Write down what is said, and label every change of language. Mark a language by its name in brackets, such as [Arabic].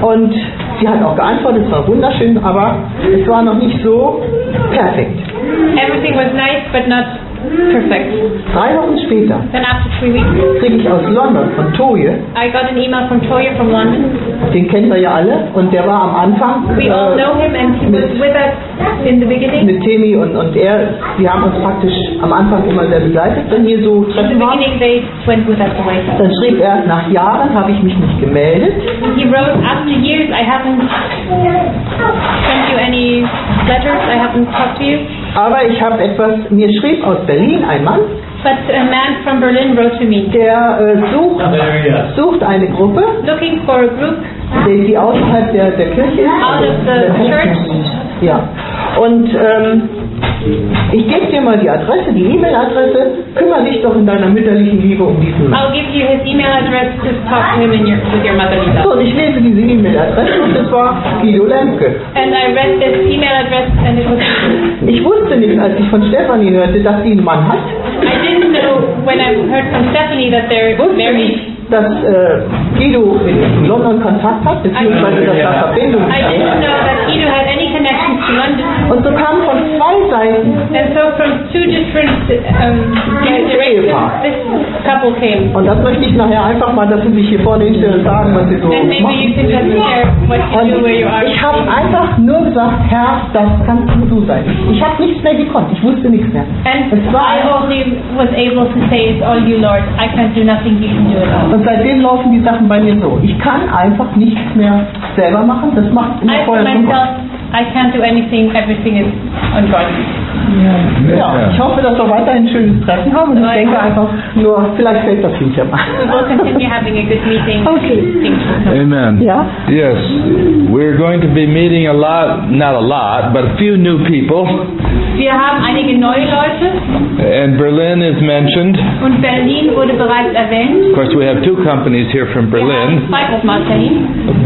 [German] Und sie hat auch geantwortet, es war wunderschön, aber es war noch nicht so perfekt. [English] Everything was nice, but not perfect. [German] 3 Wochen später, [English] then after 3 weeks, [German] kriege ich aus London von Toje. [English] I got an email from Toje from London. [German] Den kennen wir ja alle und der war am Anfang. [English] We all know him and he was with us in the beginning. [German] Mit Temi und er, die haben uns praktisch am Anfang immer sehr begleitet, wenn hier so Treffen waren. [English] In the beginning they went with us away. [German] Dann schrieb er, nach Jahren habe ich mich nicht gemeldet. [English] He wrote, after years I haven't sent you any letters, I haven't talked to you. [German] Aber ich habe etwas, mir schrieb aus Berlin ein Mann, [English] but a man from Berlin wrote to me. [German] Der sucht eine Gruppe, [English] looking for a group, [German] die außerhalb der Kirche ist, [English] out of the church. [German] Ja. Und ich gebe dir mal die Adresse, die E-Mail-Adresse, kümmere dich doch in deiner mütterlichen Liebe um diesen Mann. [English] I'll give you his email address, just talk to him with your motherly love. [German] So, und ich lese diese E-Mail-Adresse und das war Guido Lemke. [English] And I read this email address and it was... [German] Ich wusste nicht, als ich von Stephanie hörte, dass sie einen Mann hat. [English] I didn't know when I heard from Stephanie that they're married. [German] Dass Guido in London Kontakt hat, beziehungsweise dass da Verbindung ist. [English] I didn't know that Guido had any connections to London. [German] Und so kam von zwei Seiten. [English] And so from two different directions, this couple came. [German] Und das möchte ich nachher einfach mal, dass sie sich hier vorne hinstellen und sagen, was sie so machen. [English] And maybe you can just share what you do where you are. [German] Ich habe einfach nur gesagt, Herr, das kannst du sein. Ich habe nichts mehr gekonnt. Ich wusste nichts mehr. [English] And I only was able to say, it's all you, Lord. I can't do nothing. You can do it all. [German] Und seitdem laufen die Sachen bei mir so. Ich kann einfach nichts mehr selber machen. Das macht immer [English] I [German] vorher schon [English] myself, I can't do anything. Everything is on God. [German] Ja, ich hoffe, dass wir weiterhin ein schönes Treffen haben. Und so ich denke einfach nur, vielleicht fällt das hinterher mal. [English] We will continue having a good meeting. Okay. Amen. [German] Ja? [English] Yes. We're going to be meeting a lot, not a lot, but a few new people. [German] Wir haben einige neue Leute. [English] And Berlin is mentioned. [German] Und Berlin wurde bereits erwähnt. [English] Of course, we have 2 companies here from Berlin. [German] Wir haben 2 Firmen.